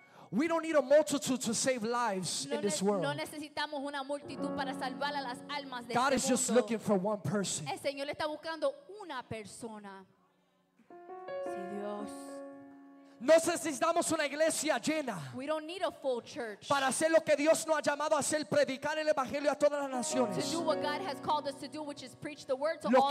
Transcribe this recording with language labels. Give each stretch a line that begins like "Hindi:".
English: We don't need a multitude to save lives in this world.
Spanish: No necesitamos una multitud para salvar a las almas de
English: God
Spanish: este mundo.
English: Just looking for one person.
Spanish: El Señor está buscando una persona. Si Dios. No necesitamos una iglesia llena.
English: We don't need a full church.
Spanish: Para hacer lo que Dios nos ha llamado a hacer, predicar el evangelio a todas las naciones.
English: To do what God has called us to do, which is preach the word to all